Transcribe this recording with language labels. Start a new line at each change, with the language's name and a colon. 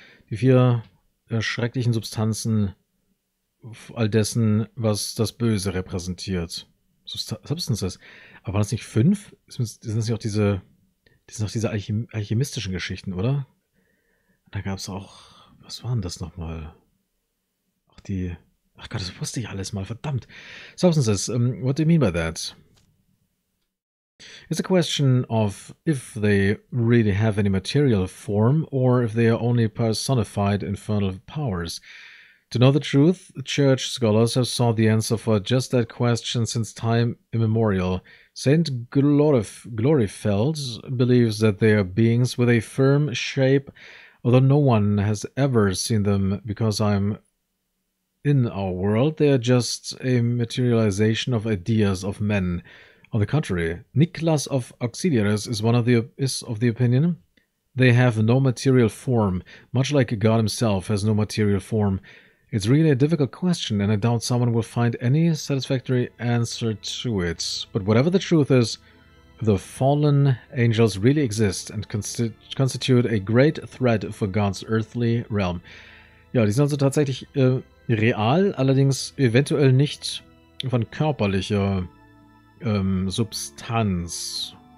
German: Die vier schrecklichen Substanzen all dessen, was das Böse repräsentiert. Substances. Aber waren das nicht fünf? Sind das nicht auch diese alchemistischen Geschichten, oder? Da gab es auch. Was waren das nochmal? Ach, die. Ach Gott, das wusste ich alles mal, verdammt.
English: Substances, what do you mean by that? It's a question of if they really have any material form or if they are only personified infernal powers. To know the truth, church scholars have sought the answer for just that question since time immemorial. Saint Glorifeld believes that they are beings with a firm shape, although no one has ever seen them because I'm in our world. They are just a materialization of ideas of men. On the contrary, Nicholas of Auxilliaries is of the opinion they have no material form, much like God himself has no material form. It's really a difficult question, and I doubt someone will find any satisfactory answer to it. But whatever the truth is, the fallen angels really exist and constitute a great threat for God's earthly realm.
German: Ja, die sind also tatsächlich real, allerdings eventuell nicht von körperlicher Substanz.